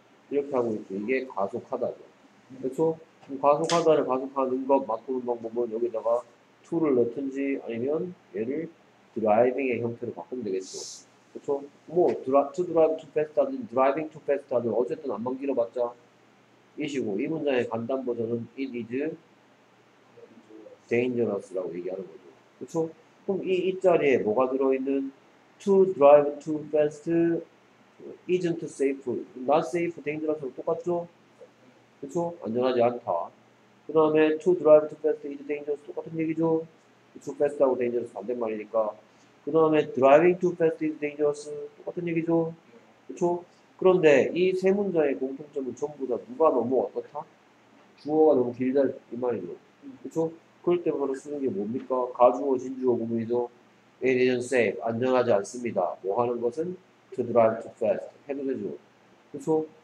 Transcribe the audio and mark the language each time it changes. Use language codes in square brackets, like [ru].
[ko] 이렇게 하고 있죠. 이게 과속하다죠. 그렇죠? 그럼 과속하다를 과속하는 것 바꾸는 방법은 여기다가 to를 넣든지 아니면 얘를 드라이빙의 형태로 바꾸면 되겠죠. 그쵸? 뭐, [en] to drive too fast [ko] 하든, [en] driving too fast [ko] 하든, 어쨌든 안만 길어봤자, 이시고, 이 문장의 간단 버전은 [en] it is dangerous [ko] 라고 얘기하는 거죠. 그쵸? 그럼 이 자리에 뭐가 들어있는 [en] to drive too fast isn't safe, not safe, dangerous [ko] 하고 똑같죠? 그쵸? 안전하지 않다. [en] 그 다음에 to drive too fast is dangerous [ko] 똑같은 얘기죠? [en] too fast하고 dangerous [ko] 반대말이니까 그 다음에 [en] driving too fast is dangerous [ko] 똑같은 얘기죠. 그렇죠? 그런데 이 세 문장의 공통점은 전부 다 누가 너무 어떻다? 주어가 너무 길다 이 말이죠. 그렇죠? 그럴 때 바로 쓰는 게 뭡니까? 가주어 진주어 구문이죠. [en] It isn't safe. [ko] 안전하지 않습니다. 뭐 하는 것은? [en] to drive too fast. [ko] 해도 되죠. 그렇죠?